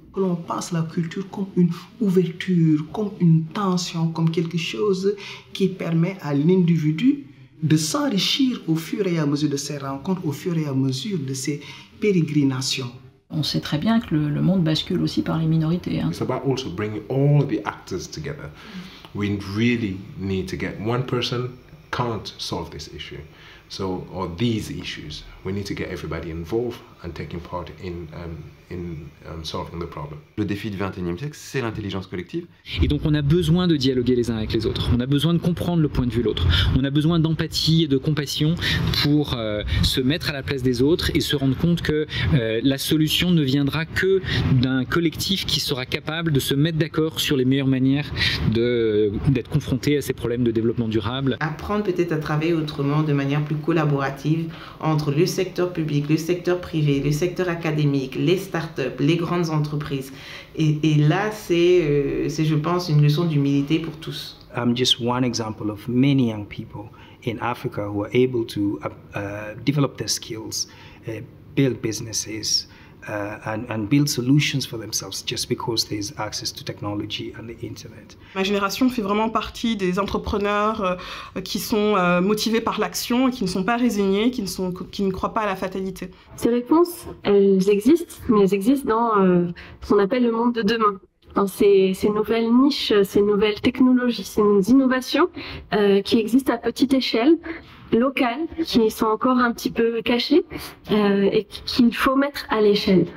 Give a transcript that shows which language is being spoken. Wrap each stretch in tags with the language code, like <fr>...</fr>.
<fr>Que l'on pense la culture comme une ouverture, comme une tension, comme quelque chose qui permet à l'individu de s'enrichir au fur et à mesure de ses rencontres, au fur et à mesure de ses pérégrinations. On sait très bien que le monde bascule aussi par les minorités.</fr> <en>It's about also bringing all the actors together. We really need to get one person can't solve this issue, so or these issues. We need to get everybody involved and taking part in solving the problem.</en> <fr>Le défi du 21e siècle, c'est l'intelligence collective. Et donc on a besoin de dialoguer les uns avec les autres. On a besoin de comprendre le point de vue de l'autre. On a besoin d'empathie et de compassion pour se mettre à la place des autres et se rendre compte que la solution ne viendra que d'un collectif qui sera capable de se mettre d'accord sur les meilleures manières d'être confronté à ces problèmes de développement durable. Apprendre peut-être à travailler autrement, de manière plus collaborative entre le secteur public, le secteur privé, le secteur académique, les start-up, les grandes entreprises. Et là, c'est, je pense, une leçon d'humilité pour tous.</fr> <en>I'm just one example of many young people in Africa who are able to develop their skills, build businesses, and build solutions for themselves just because there's access to technology and the internet.</en> <fr>Ma génération fait vraiment partie des entrepreneurs qui sont motivés par l'action et qui ne sont pas résignés, qui ne croient pas à la fatalité. Ces réponses, elles existent, mais elles existent dans ce qu'on appelle le monde de demain. Dans ces nouvelles niches, ces nouvelles technologies, ces innovations qui existent à petite échelle, locales, qui sont encore un petit peu cachées et qu'il faut mettre à l'échelle.</fr>